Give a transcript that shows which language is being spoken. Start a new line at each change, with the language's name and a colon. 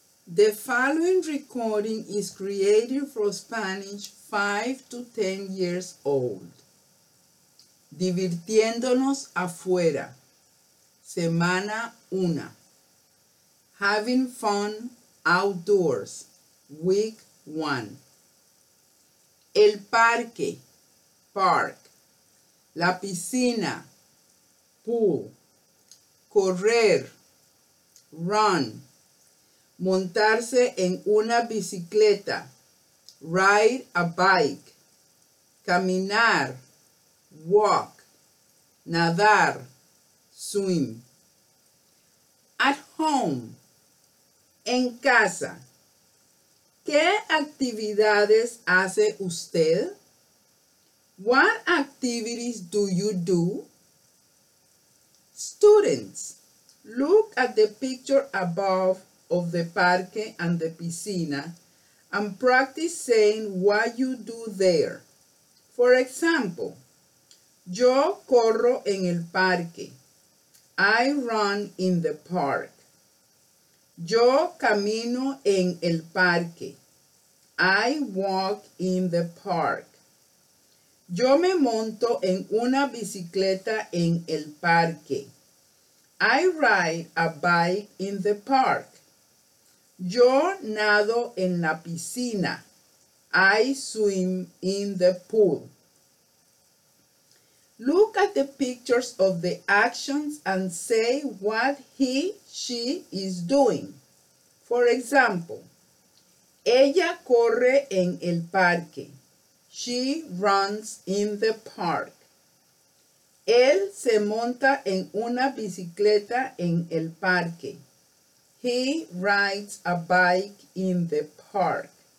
English: The following recording is created for Spanish 5 to 10 years old.
Spanish: Divirtiéndonos afuera. Semana 1.
English: Having fun outdoors. Week 1.
Spanish: El parque.
English: Park.
Spanish: La piscina.
English: Pool.
Spanish: Correr.
English: Run.
Spanish: Montarse en una bicicleta.
English: Ride a bike.
Spanish: Caminar.
English: Walk.
Spanish: Nadar.
English: Swim. At home.
Spanish: En casa. ¿Qué actividades hace usted?
English: What activities do you do? Students, look at the picture above of the parque and the piscina and practice saying what you do there. For example,
Spanish: yo corro en el parque.
English: I run in the park.
Spanish: Yo camino en el parque.
English: I walk in the park.
Spanish: Yo me monto en una bicicleta en el parque.
English: I ride a bike in the park.
Spanish: Yo nado en la piscina.
English: I swim in the pool. Look at the pictures of the actions and say what he, she is doing. For example,
Spanish: ella corre en el parque.
English: She runs in the park.
Spanish: Él se monta en una bicicleta en el parque.
English: He rides a bike in the park.